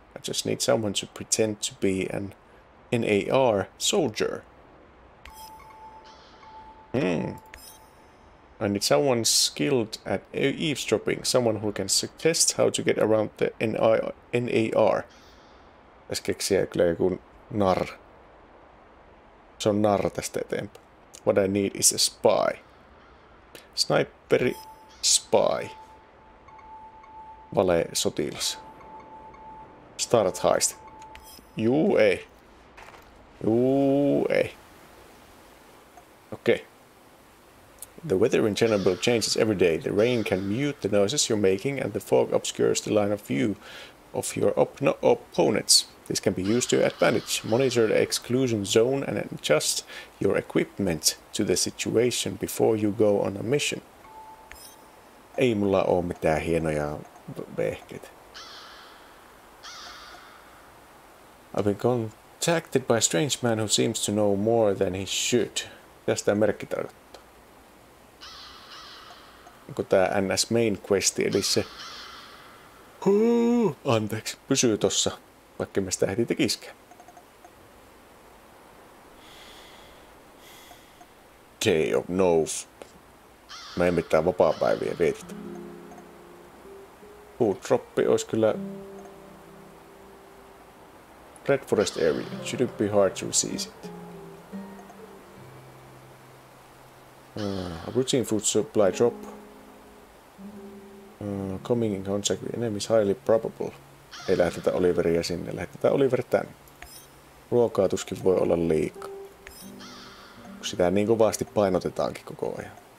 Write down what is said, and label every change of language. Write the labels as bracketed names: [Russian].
[English] I just need someone to pretend to be an NAR soldier. I need someone skilled at eavesdropping, someone who can suggest how to get around the NAR. [Finnish] Tässä keksiä kyllä joku nar. Se on nar tästä eteenpäin. [English] What I need is a spy. Sniperi, spy. [Finnish] Vale sotilas. [English] Start heist. [Finnish] Juu ei. Juu ei. Okei. [English] Okay. The weather in Chernobyl changes every day. The rain can mute the noises you're making and the fog obscures the line of view of your opponents. This can be used to your advantage. Monitor the exclusion zone and adjust your equipment to the situation before you go on a mission. [Finnish] Ei mulla oo mitään hienoja vehkeitä. [English] I've been contacted by a strange man who seems to know more than he should. [Finnish] Mitäs tää merkki tarkoittaa? Onko tää NS main questi, eli se... Anteeksi, pysyy tossa. Vaikka me sitä heti tekisikään. [English] Day of no... [Finnish] Me ei mitään vapaapäiviä vietetä. Food droppi olisi kyllä... [English] Red Forest area. It shouldn't be hard to seize it. A routine food supply drop. Coming in contact with enemy is highly probable. [Finnish] Ei lähetetä Oliveria sinne, lähetetään Oliver tänne. Ruokaa tuskin voi olla liikaa. Sitä niin kovasti painotetaankin koko ajan.